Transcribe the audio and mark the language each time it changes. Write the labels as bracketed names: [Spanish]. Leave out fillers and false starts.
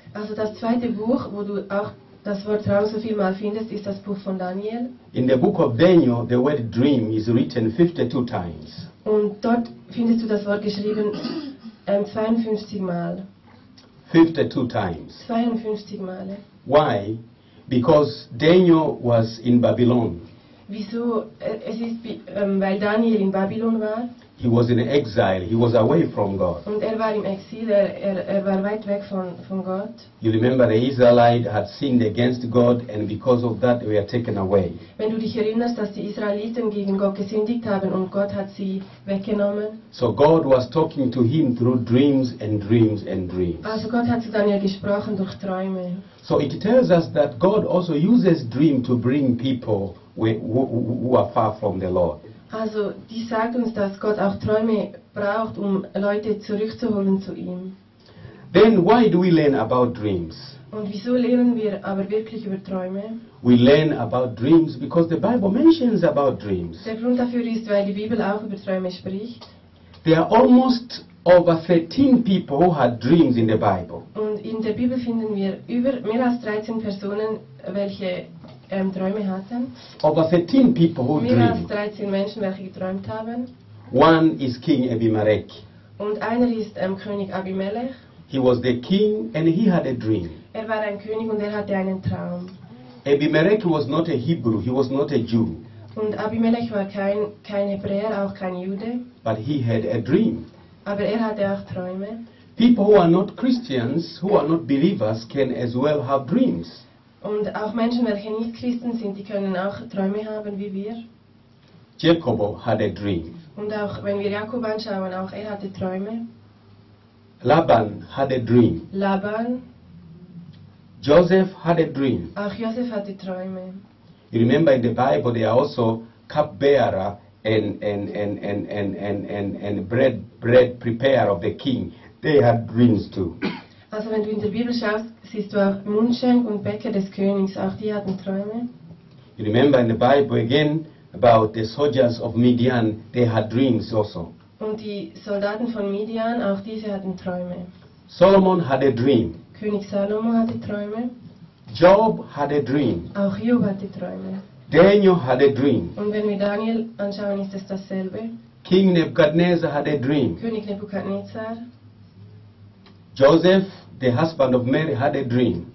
[German] Also, das zweite Buch, wo du auch das Wort Traum so viel mal findest, ist das Buch von Daniel. [English] In the book of Daniel, the word dream is written 52 times. [German] Und dort findest du das Wort geschrieben 52 Mal. [English] 52 times. [German] 52 Male. [English] Why? Because Daniel was in Babylon. [German] Wieso? Es ist, weil Daniel in Babylon war. [English] He was in exile. He was away from God. [German] Und er war im Exil. Er war weit weg von Gott. [English] You remember the Israelites had sinned against God, and because of that, they were taken away. [German] Wenn du dich erinnerst, dass die Israeliten gegen Gott gesündigt haben und Gott hat sie weggenommen. [English] So God was talking to him through dreams and dreams and dreams. [German] Also Gott hat zu Daniel gesprochen durch Träume. [English] So it tells us that God also uses dreams to bring people who are far from the Lord. [German] Also, die sagt uns, dass Gott auch Träume braucht, um Leute zurückzuholen zu ihm. [English] Then why do we learn about dreams? [German] Und wieso lernen wir aber wirklich über Träume? [English] We learn about dreams because the Bible mentions about dreams. [German] Der Grund dafür ist, weil die Bibel auch über Träume spricht. [English] There are almost over 13 people who had dreams in the Bible. [German] Und in der Bibel finden wir mehr als 13 Personen, welche Träume hatten. [English] Over 13 people who dreamed. [German] Mehr als 13 Menschen, welche geträumt haben. [English] One is King Abimelech. [German] Und einer ist König Abimelech. [English] He was the king and he had a dream. [German] Er war ein König und er hatte einen Traum. [English] Abimelech was not a Hebrew, he was not a Jew. [German] Und Abimelech war kein Hebräer, auch kein Jude. [English] But he had a dream. [German] Aber er hatte auch Träume. [English] People who are not Christians, who are not believers, can as well have dreams. [German] Und auch Menschen, welche nicht Christen sind, die können auch Träume haben wie wir. [English] Jacob had a dream. [German] Und auch wenn wir Jakob anschauen, auch er hatte Träume. [English] Laban had a dream. [German] Laban. [English] Joseph had a dream. [German] Auch Joseph hatte Träume. [English] You remember in the Bible there are also cupbearer and bread preparer of the king. They had dreams too. [German] Also wenn du in der Bibel schaust, siehst du auch Mundschenk und Bäcker des Königs, auch die hatten Träume. [English] You remember in the Bible again about the soldiers of Midian, they had dreams also. [German] Und die Soldaten von Midian, auch diese hatten Träume. [English] Solomon had a dream. [German] König Salomo hatte Träume. [English] Job had a dream. [German] Auch Job hatte Träume. [English] Daniel had a dream. [German] Und wenn wir Daniel anschauen, ist es dasselbe. [English] King Nebuchadnezzar had a dream. [German] König Nebuchadnezzar. [English] Joseph, the husband of Mary, had a dream.